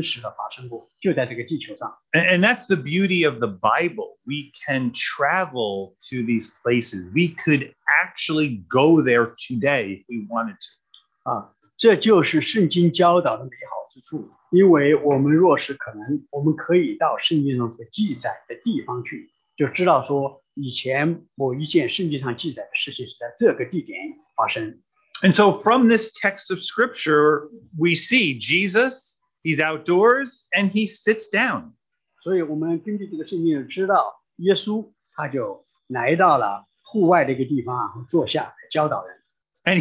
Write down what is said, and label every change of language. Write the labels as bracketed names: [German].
[Chinese] 从另外一个角度讲，就是说，换个方式说，就是说，我们知道这个事实，这个事情是一个真实的历史事件，在某个地点、某个时间上真实的发生过，就在这个地球上。 [English] And that's the beauty of the Bible. We can travel to these places. We could actually go there today if we wanted to. [Chinese] 这就是圣经教导的美好之处。因为我们若是可能，我们可以到圣经中所记载的地方去，就知道说以前某一件圣经上记载的事情是在这个地点发生。 [English] And so from this text of scripture, we see Jesus, he's outdoors, and he sits down. [Chinese] 所以我们根据这个圣经知道，耶稣他就来到了户外的一个地方，坐下来教导人。 [English] And